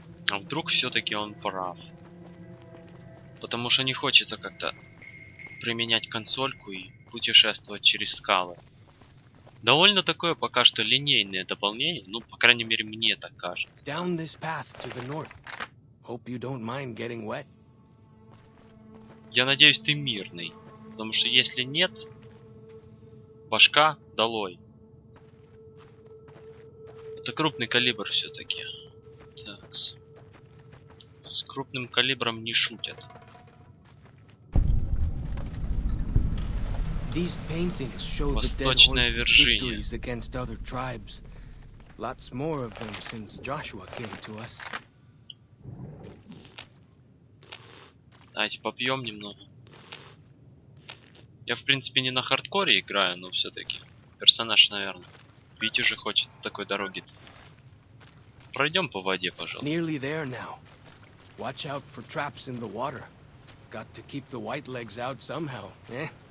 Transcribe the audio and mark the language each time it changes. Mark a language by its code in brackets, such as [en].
[ru] А вдруг все-таки он прав? Потому что не хочется как-то применять консольку и путешествовать через скалы. Довольно такое пока что линейное дополнение, ну, по крайней мере, мне так кажется. [en] Down this path to the north. Hope you don't mind getting wet. [ru] Я надеюсь, ты мирный. Потому что если нет, башка долой. Это крупный калибр все-таки. Так. С крупным калибром не шутят. [en] These paintings show the Dead Horse's victories against other tribes. Lots more of them since Joshua came to us. [ru] Давайте попьем немного. Я в принципе не на хардкоре играю, но все-таки персонаж, наверное, пить уже хочет с такой дороги. Пройдем по воде, пожалуйста. [en] Nearly there now. Watch out for traps in the water. Got to keep the white legs out somehow, eh?